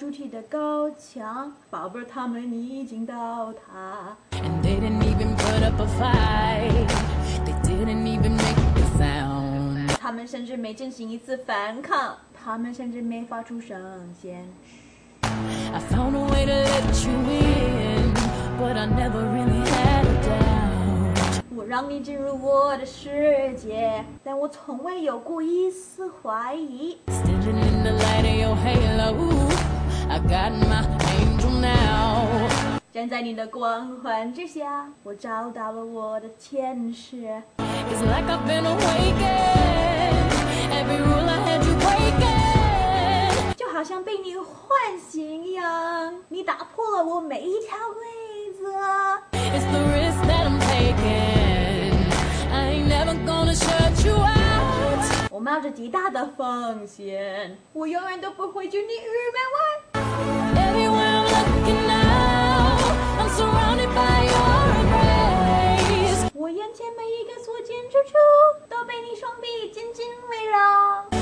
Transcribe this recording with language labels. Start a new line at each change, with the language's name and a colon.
Chinese: 的高墙，宝贝儿他们已经倒塌。他们甚至没进行一次反抗，他们甚至没发出声线。
English: I found a way to let you in, but I never really had a doubt.
Chinese: 我让你进入我的世界，但我从未有过一丝怀疑。
English: Standing in the light of your halo, I got my angel now.
Chinese: 站在你的光环之下，我找到了我的天使。
English: It's like I've been awakened, every rule I had you breaking.
Chinese: 好像被你唤醒一样，你打破了我每一条规则。
English: It's the risk that I'm taking. I ain't never gonna shut you out.
Chinese: 我冒着极大的风险，我永远都不会拒你于门外。
English: Everywhere I'm looking now, I'm surrounded by your embrace.
Chinese: 我眼前每一个所见之处，都被你双臂紧紧围绕。